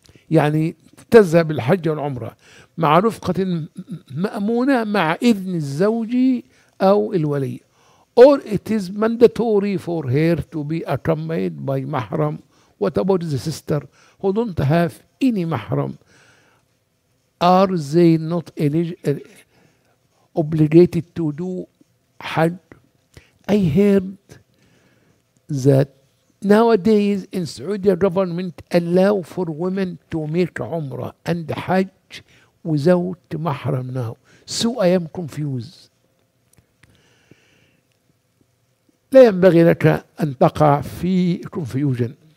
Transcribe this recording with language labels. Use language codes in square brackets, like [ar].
[ar] يعني تذهب الحج والعمرة مع رفقة مأمونة مع إذن الزوجي أو الولي، [en] or it is mandatory for her to be accompanied by mahram? What about the sister who don't have any mahram? Are they not obligated to do hajj? I heard that nowadays in Saudi government allow for women to make umrah and hajj without mahram now. So I am confused. [ar] لا ينبغي لك أن تقع في confusion.